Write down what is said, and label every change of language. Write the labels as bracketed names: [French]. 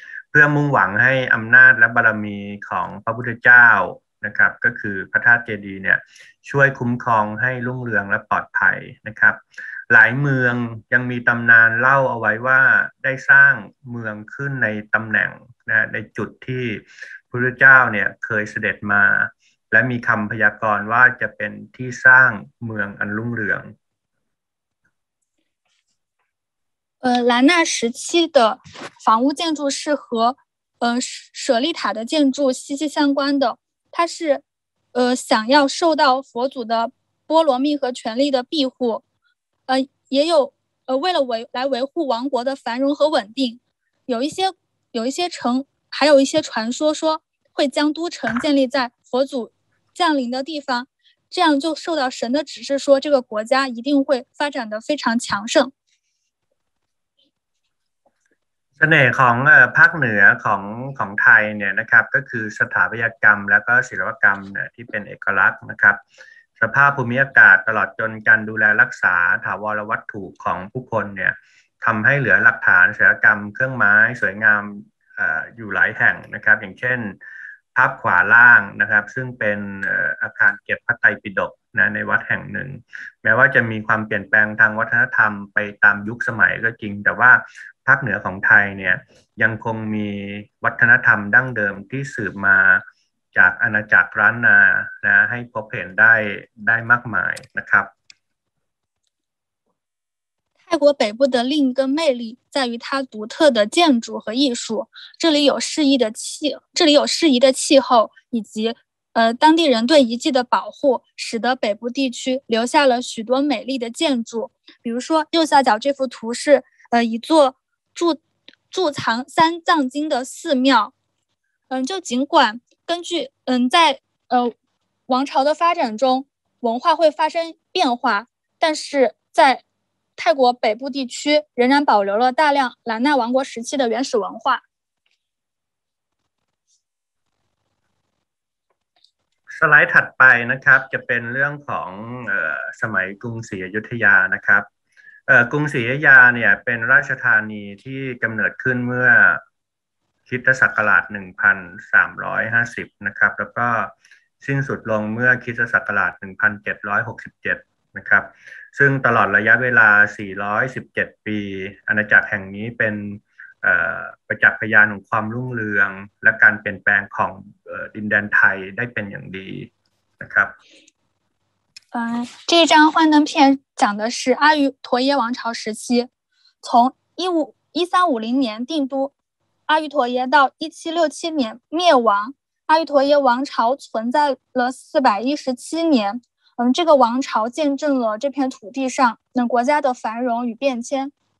[Thai] เพื่อมุ่งหวังให้อำนาจและบารมีของพระพุทธเจ้านะครับก็คือพระธาตุเจดีย์เนี่ยช่วยคุ้มครองให้รุ่งเรืองและปลอดภัยนะครับหลายเมืองยังมีตำนานเล่าเอาไว้ว่าได้สร้างเมืองขึ้นในตำแหน่งนะในจุดที่พระพุทธเจ้าเนี่ยเคยเสด็จมาและมีคำพยากรณ์ว่าจะเป็นที่สร้างเมืองอันรุ่งเรือง [Chinese] 兰纳时期的房屋建筑是和舍利塔的建筑息息相关的它是想要受到佛祖的波罗蜜和权力的庇护也有为了维护王国的繁荣和稳定有一些城还有一些传说说会将都城建立在佛祖降临的地方这样就受到神的指示说这个国家一定会发展得非常强盛 [Thai] เสน่ห์ของภาคเหนือของไทยเนี่ยนะครับก็คือสถาปัตยกรรมแล้วก็ศิลปกรรมเนี่ยที่เป็นเอกลักษณ์นะครับสภาพภูมิอากาศตลอดจนการดูแลรักษาถาวรวัตถุของผู้คนเนี่ยทำให้เหลือหลักฐานศิลปกรรมเครื่องไม้สวยงาม อยู่หลายแห่งนะครับอย่างเช่นภาพขวาล่างนะครับซึ่งเป็นอาคารเก็บพระไตรปิฎกนะในวัดแห่งหนึ่งแม้ว่าจะมีความเปลี่ยนแปลงทางวัฒนธรรมไปตามยุคสมัยก็จริงแต่ว่าภาคเหนือของไทยเนี่ยยังคงมีวัฒนธรรมดั้งเดิมที่สืบมาจากอาณาจักรล้านนานะให้พบเห็นได้มากมายนะครับ [Chinese] 泰国北部的另一个魅力在于它独特的建筑和艺术这里有适宜的气候以及当地人对遗迹的保护使得北部地区留下了许多美丽的建筑比如说右下角这幅图是一座贮藏三藏经的寺庙就尽管根据在王朝的发展中文化会发生变化但是在泰国北部地区仍然保留了大量兰纳王国时期的原始文化 [Thai] สไลด์ถัดไปนะครับจะเป็นเรื่องของสมัยกรุงศรีอยุธยานะครับกรุงศรีอยุธยาเนี่ยเป็นราชธานีที่กำเนิดขึ้นเมื่อคริสตศักราช 1,350 นะครับแล้วก็สิ้นสุดลงเมื่อคริสตศักราช 1,767 นะครับซึ่งตลอดระยะเวลา417ปีอาณาจักรแห่งนี้เป็น ประจักษ์พยานของความรุ่งเรืองและการเปลี่ยนแปลงของดินแดนไทยได้เป็นอย่างดีนะครับ [Chinese] 这张幻灯片讲的是阿育陀耶王朝时期从1350年定都阿育陀耶到1767年灭亡，阿育陀耶王朝存在了417年。这个王朝见证了这片土地上国家的繁荣与变迁。